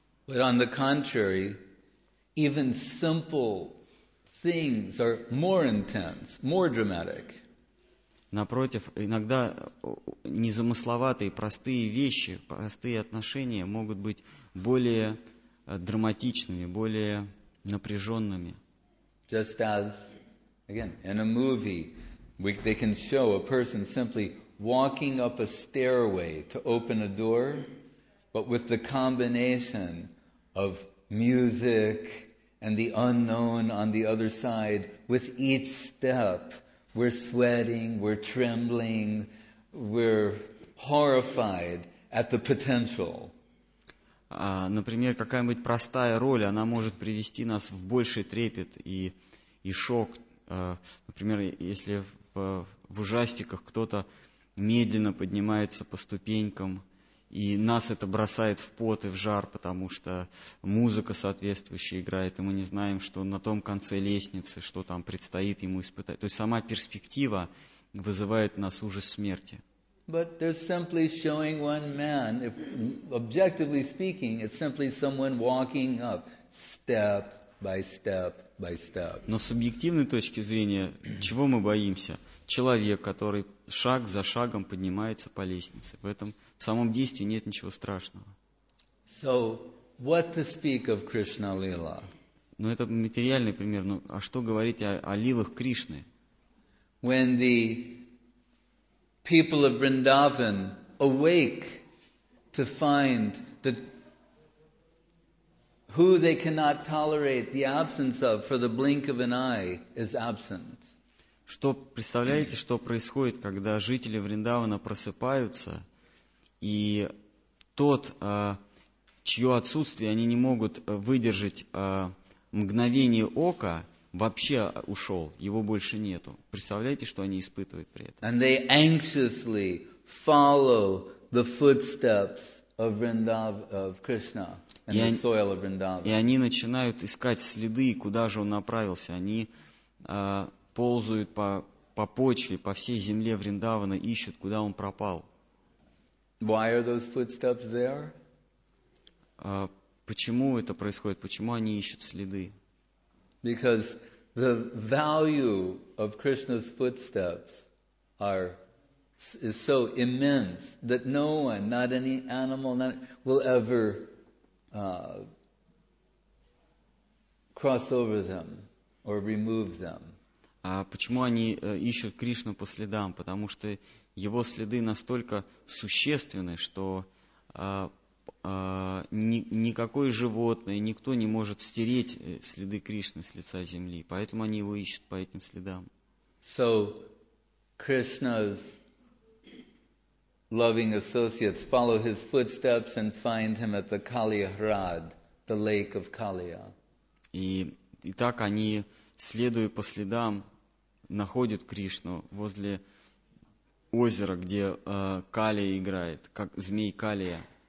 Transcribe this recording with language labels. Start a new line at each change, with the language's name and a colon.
English: But on the contrary, even simple things are more intense, more dramatic.
Russian: Напротив, иногда незамысловатые, простые вещи, простые отношения могут быть более драматичными, более напряженными.
English: Just as, again, in a movie, they can show a person simply walking up a stairway to open a door, But with the combination of music and the unknown on the other side, with each step, we're sweating, we're trembling, we're horrified at the potential.
Russian: Например, какая-нибудь простая роль, она может привести нас в больший трепет и шок. Например, если в ужастиках кто-то медленно поднимается по ступенькам, и нас это бросает в пот и в жар, потому что музыка соответствующая играет, и мы не знаем, что на том конце лестницы, что там предстоит ему испытать. То есть сама перспектива вызывает в нас ужас смерти.
English: But they're simply showing one man, if, objectively speaking, it's simply someone walking up step by step by step.
Russian: Но с объективной точки зрения, чего мы боимся? Человек, который шаг за шагом поднимается по лестнице. В этом в самом действии нет ничего страшного.
English: So, what to speak of Krishna Lila?
Russian: Ну, это материальный пример. Ну, а что говорить о лилах Кришны?
English: When the people of Vrindavan awake to find that who they cannot tolerate the absence of for the blink of an eye is absent.
Russian: Что представляете, что происходит, когда жители Вриндавана просыпаются, и тот, чье отсутствие они не могут выдержать мгновение ока, вообще ушел, его больше нету. Представляете, что они испытывают при этом?
English: And they anxiously follow the footsteps of Krishna and the soil of Vrindavan.
Russian: И они начинают искать следы, куда же он направился. Они ползают по почве, по всей земле Вриндавана, ищут, куда он пропал.
English: Why are those footsteps there?
Russian: Почему это происходит? Почему они ищут следы?
English: Because the value of Krishna's footsteps is so immense that no one, not any animal, not will ever cross over them or remove them.
Russian: А почему они ищут Кришну по следам? Потому что его следы настолько существенны, что никакое животное, никто не может стереть следы Кришны с лица земли, поэтому они его ищут по этим следам.
English: So, Krishna's loving associates follow his footsteps and find him at the Kalihrad, the lake of Kaliya.
Russian: И так они, следуя по следам, находят Кришну возле озера, где Калия играет, как змей Калия.